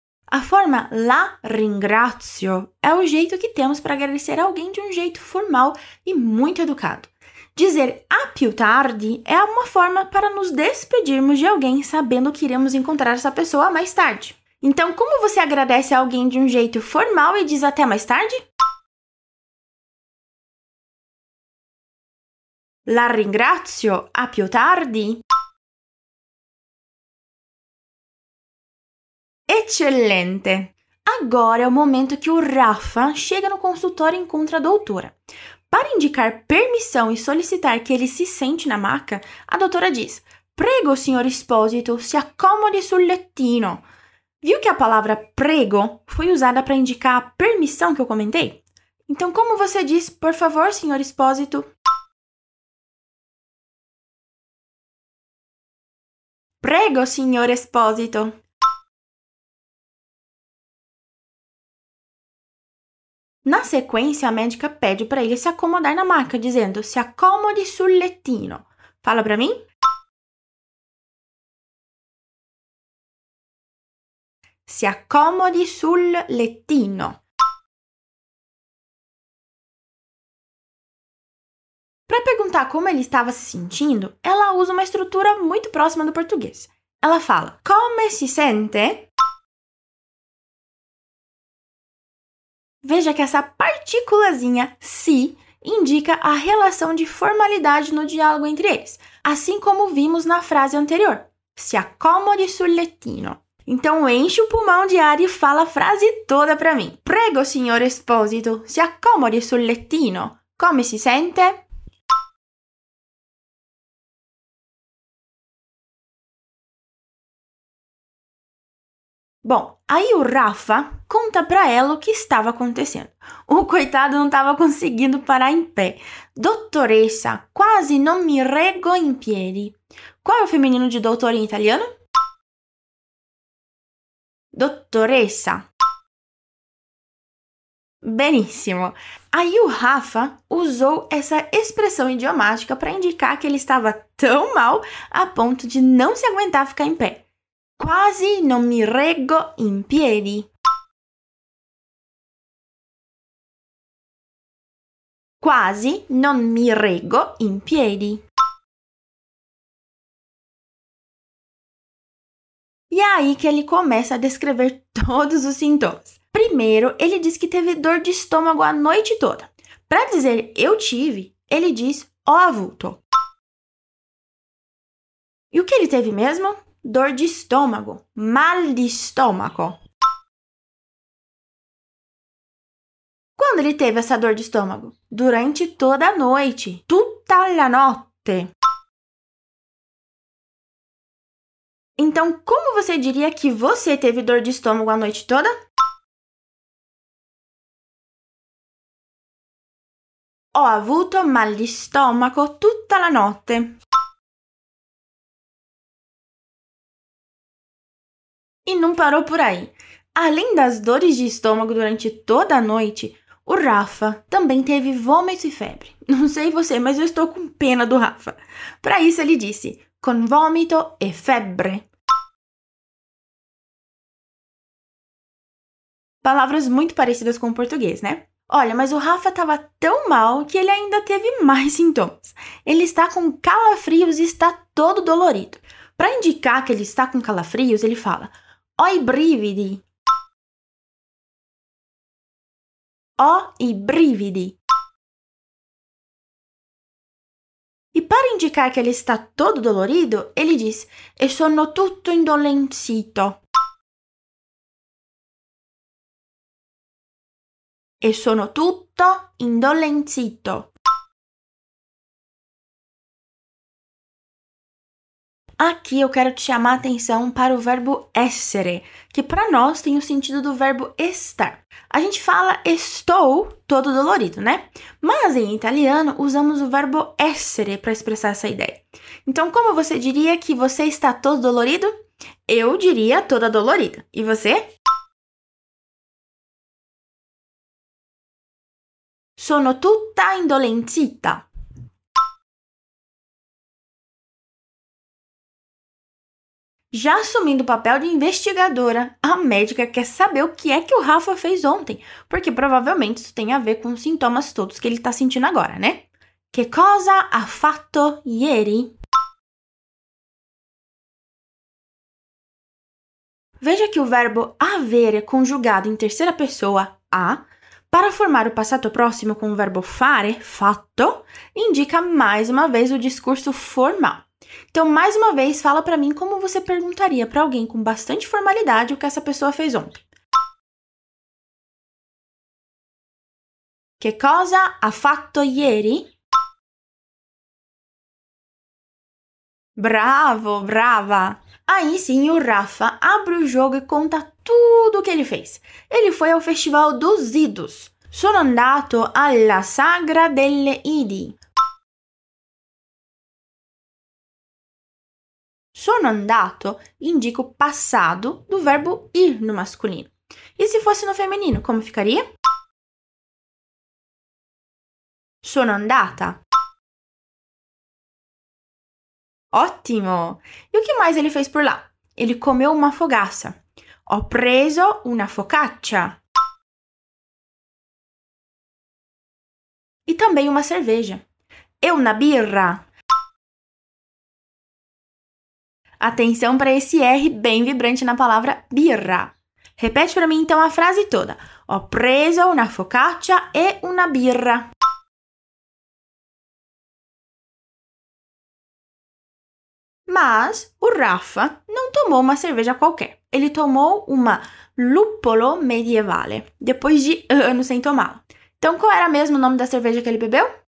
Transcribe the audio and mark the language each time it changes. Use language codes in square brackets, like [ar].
[pt] A forma [it] la ringrazio [pt] é o jeito que temos para agradecer alguém de um jeito formal e muito educado. Dizer [it] a più tardi [pt] é uma forma para nos despedirmos de alguém sabendo que iremos encontrar essa pessoa mais tarde. Então, como você agradece alguém de um jeito formal e diz até mais tarde? [it] La ringrazio, a più tardi. Eccellente! [pt] Agora é o momento que o Rafa chega no consultório e encontra a doutora. Para indicar permissão e solicitar que ele se sente na maca, a doutora diz [it] Prego, signor esposito, si accomodi sul lettino. [pt] Viu que a palavra prego foi usada para indicar a permissão que eu comentei? Então, como você diz, por favor, senhor esposito? [it] Prego, [pt] senhor [it] esposito. [pt] Na sequência, a médica pede para ele se acomodar na maca, dizendo, [it] si accomodi sul lettino. [pt] Fala para mim. [it] Si accomodi sul lettino. [pt] Para perguntar como ele estava se sentindo, ela usa uma estrutura muito próxima do português. Ela fala, [it] come si sente? [pt] Veja que essa partículazinha, si, indica a relação de formalidade no diálogo entre eles, assim como vimos na frase anterior, [it] si accomodi sul lettino. [pt] Então, enche o pulmão de ar e fala a frase toda pra mim. [it] Prego, signor esposito, si accomodi sul lettino. Come si sente? [pt] Bom, aí o Rafa conta pra ela o que estava acontecendo. O coitado não estava conseguindo parar em pé. [it] Dottoressa, quasi non mi reggo in piedi. [pt] Qual é o feminino de doutor em italiano? [it] Dottoressa. [pt] Benissimo. Aí o Rafa usou essa expressão idiomática para indicar que ele estava tão mal a ponto de não se aguentar ficar em pé. [it] Quasi non mi reggo in piedi. Quasi non mi reggo in piedi. [pt] E é aí que ele começa a descrever todos os sintomas. Primeiro, ele diz que teve dor de estômago a noite toda. Para dizer eu tive, ele diz [it] ho avuto. [pt] E o que ele teve mesmo? Dor de estômago, mal de estômago. Quando ele teve essa dor de estômago? Durante toda a noite, [it] tutta la notte. [pt] Então, como você diria que você teve dor de estômago a noite toda? [it] Ho avuto mal di stomaco tutta la notte. [pt] E não parou por aí. Além das dores de estômago durante toda a noite, o Rafa também teve vômito e febre. Não sei você, mas eu estou com pena do Rafa. Para isso ele disse, [it] con vomito e febbre. [pt] Palavras muito parecidas com o português, né? Olha, mas o Rafa estava tão mal que ele ainda teve mais sintomas. Ele está com calafrios e está todo dolorido. Para indicar que ele está com calafrios, ele fala [it] ho i brividi. Ho i brividi. [pt] E para indicar que ele está todo dolorido, ele diz [it] e sono tutto indolenzito. E sono tutto indolenzito. [pt] Aqui eu quero te chamar a atenção para o verbo essere, que para nós tem o sentido do verbo estar. A gente fala estou todo dolorido, né? Mas em italiano usamos o verbo essere para expressar essa ideia. Então, como você diria que você está todo dolorido? Eu diria toda dolorida. E você? [it] Sono tutta indolenzita. [pt] Já assumindo o papel de investigadora, a médica quer saber o que é que o Rafa fez ontem, porque provavelmente isso tem a ver com os sintomas todos que ele está sentindo agora, né? [it] Che cosa ha fatto ieri? [pt] Veja que o verbo avere é conjugado em terceira pessoa, a... Para formar o passato próximo com o verbo fare, fatto, indica mais uma vez o discurso formal. Então, mais uma vez, fala para mim como você perguntaria para alguém com bastante formalidade o que essa pessoa fez ontem. [it] Che cosa ha fatto ieri? [pt] Bravo, brava! Aí sim, o Rafa abre o jogo e conta tudo o que ele fez. Ele foi ao Festival dos Idos. [it] Sono andato alla Sagra delle Idi. Sono andato [pt] indica o passado do verbo ir no masculino. E se fosse no feminino, como ficaria? [it] Sono andata. [pt] Ótimo! E o que mais ele fez por lá? Ele comeu uma fogaça. [it] Ho preso una focaccia. [pt] E também uma cerveja. [it] E una birra. [pt] Atenção para esse R bem vibrante na palavra birra. Repete para mim então a frase toda. [it] Ho preso una focaccia e una birra. [pt] Mas o Rafa não tomou uma cerveja qualquer. Ele tomou uma Luppolo Medievale, depois de anos sem tomá-la. Então, qual era mesmo o nome da cerveja que ele bebeu?